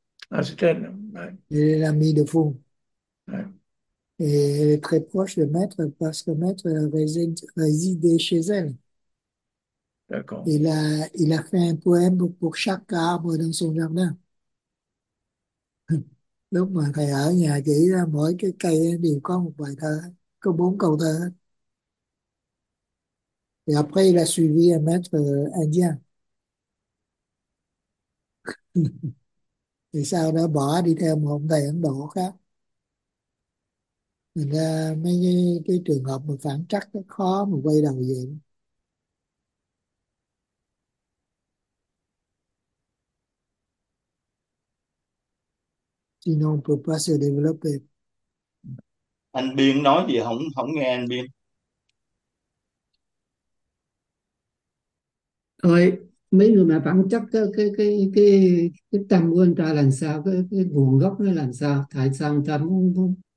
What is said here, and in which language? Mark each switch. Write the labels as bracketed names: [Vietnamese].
[French] Ah, c'est elle. Ouais. Elle est l'amie de fou. Ouais. Et elle est très proche de maître parce que maître résidait chez elle. D'accord. Il a fait un poème pour chaque arbre dans son jardin. [Vietnamese] Lúc mà thầy ở nhà chỉ là mỗi cái cây đều có một bài thơ, có bốn câu thơ. [French] Et après, il a suivi un maître indien. [Vietnamese] Thì sau đó bỏ đi theo một ông thầy Ấn Độ khác. Mình ra mấy cái trường hợp mà phản trắc nó khó mà quay đầu về. [French] Sinon on peut pas se développer. [Vietnamese] Anh Biên nói gì không không nghe anh Biên. Rồi, mấy người mà bản chất cái tâm của anh ta làm sao, cái nguồn gốc nó làm sao, tại sao anh ta muốn